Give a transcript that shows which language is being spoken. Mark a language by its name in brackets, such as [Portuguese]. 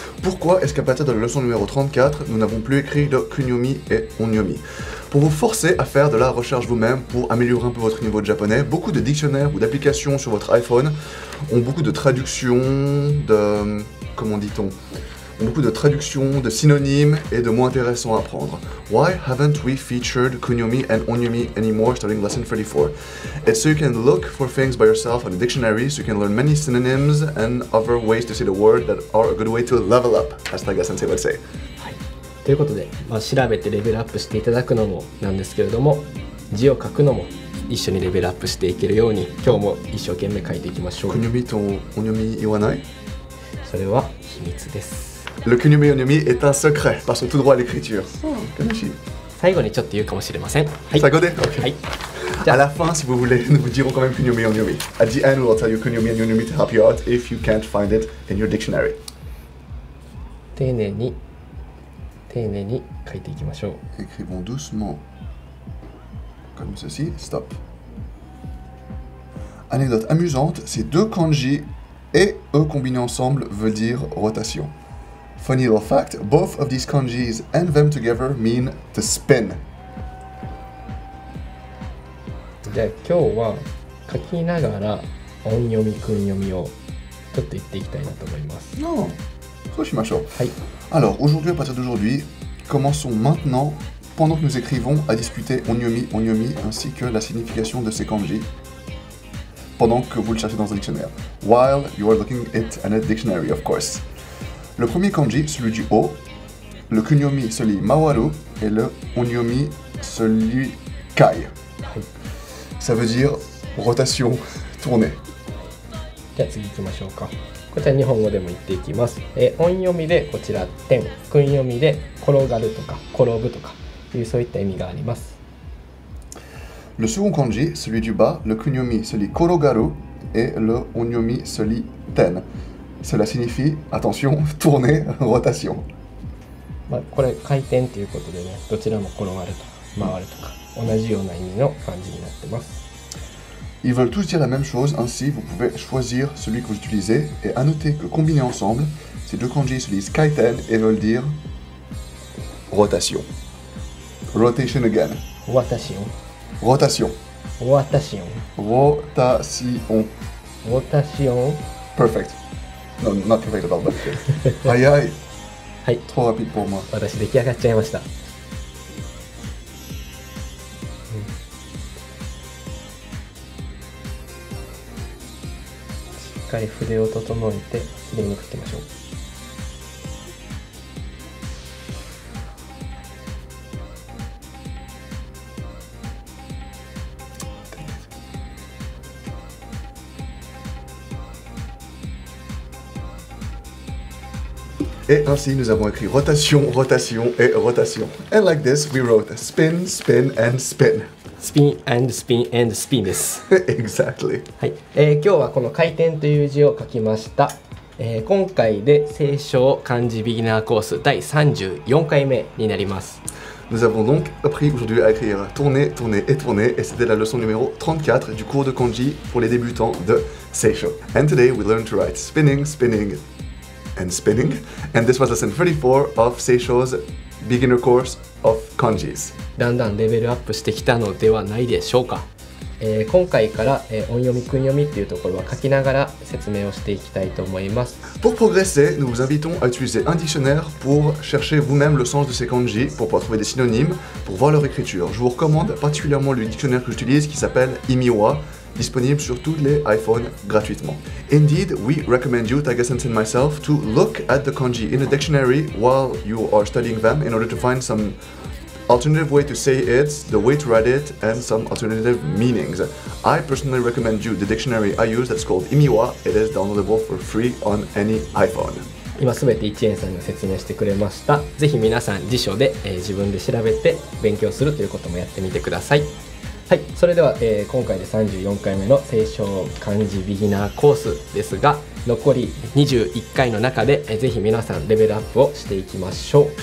[French] Pourquoi est-ce qu'à partir de la leçon numéro 34 nous n'avons plus écrit de 訓読み et 音読み？ Pour vous forcer à faire de la recherche vous-même pour améliorer un peu votre niveau de japonais, beaucoup de dictionnaires ou d'applications sur votre iPhone ont beaucoup de traductions de... comment dit-on? Ont beaucoup de traductions, de synonymes et de mots intéressants à apprendre. [English] Why haven't we featured kunyomi and onyomi anymore starting lesson 34? It's so you can look for things by yourself on a dictionary, so you can learn many synonyms and other ways to say the word that are a good way to level up, as Taiga-sensei would say. [Japanese] ということで、まあ、調べてレベルアップしていただくのもなんですけれども、字を書くのも一緒にレベルアップしていけるように、今日も一生懸命書いていきましょう。訓読みと音読み言わない？それは秘密です。 [French] Le 訓読み音読み est un secret, passons tout droit à l'écriture. [Japanese] 悲しい。最後にちょっと言うかもしれません。はい。最後で OK。はい。じゃあ、 [French] à la fin, si vous voulez, nous dirons quand même 訓読み音読み。 [English] At the end, we'll tell you 訓読み音読み to help you out if you can't find it in your dictionary. [Japanese] 丁寧に。丁寧に書いていきましょう。 [French] Écrivons doucement. Comme ceci. Stop. Anecdote amusante, ces deux kanji et e combinés ensemble veulent dire rotation. [English] Funny little fact, both of these kanjis and them together mean to spin. [Japanese] じゃあ今日は書きながら音読み訓読みをちょっと言っていきたいなと思います。 No. そうしましょう。はい。 [French] Alors, aujourd'hui, à partir d'aujourd'hui, commençons maintenant, pendant que nous écrivons, à discuter onyomi, onyomi, ainsi que la signification de ces kanji, pendant que vous le cherchez dans un dictionnaire. [English] While you are looking at a dictionary, of course. [French] Le premier kanji, celui du haut, le kunyomi se lit mawaru, et le onyomi se lit kai. Ça veut dire rotation, tourner. [Japanese] じゃあ次行きましょうか。こちら日本語でも言っていきます。音読みでこちら点、訓読みで転がるとか転ぶとかいう、そういった意味があります。 [French] Le second kanji, celui du bas, le kunyomi se lit korogaru et le onyomi se lit ten. Cela signifie, attention, tourner, rotation. [Japanese] まあこれ回転ということでね、どちらも転がると回るとか同じような意味の漢字になってます。 [French] Ils veulent tous dire la même chose, ainsi vous pouvez choisir celui que vous utilisez. Et à noter que combiné ensemble, ces deux kanji se lisent kaiten et veulent dire rotation. [English] Rotation again. Rotation. Rotation. Rotation. Rotation. Rotation. Perfect. No, not perfect at all, but good. Aïe aïe. Hi. [French] Trop rapide pour moi. [Japanese] 私出来上がっちゃいました。筆を整えて綺麗に書きましょう。 [French] Et ainsi nous avons écrit rotation, rotation et rotation. [English] And like this, we wrote spin, spin and spin. Spin and spin and spin [Japanese] です。 [English] Exactly. [Japanese] はい、今日はこの回転という字を書きました。今回で聖書漢字ビギナーコース第34回目になります。 [French] Nous avons donc appris aujourd'hui à écrire tourner, tourner et tourner, et c'était la leçon numéro 34 du cours de kanji pour les débutants de 聖書. [English] And today we learned to write spinning, spinning and spinning. And this was lesson 34 of 聖書's beginner course of kanjis. [Japanese] だんだんレベルアップしてきたのではないでしょうか。今回から、音読み訓読みっていうところは書きながら説明をしていきたいと思います。 [French] Pour progresser, nous vous invitons à utiliser un dictionnaire pour chercher vous-même le sens de ces kanji, pour pouvoir trouver des synonymes, pour voir leur écriture. Je vous recommande particulièrement le dictionnaire que j'utilise qui s'appelle Imiwa, disponible sur tous les iPhones gratuitement. [English] Indeed, we recommend you, Taiga-sensei and myself, to look at the kanji in a dictionary while you are studying them in order to find someAlternative way to say it, the way to write it, and some alternative meanings. I personally recommend you the dictionary I use that's called Imiwa. It is downloadable for free on any iPhone. [Japanese] 今すべて一円さんが説明してくれました。ぜひ皆さん辞書で、自分で調べて勉強するということもやってみてください。はい、それでは、今回で34回目の聖書漢字ビギナーコースですが、残り21回の中で、ぜひ皆さんレベルアップをしていきましょう。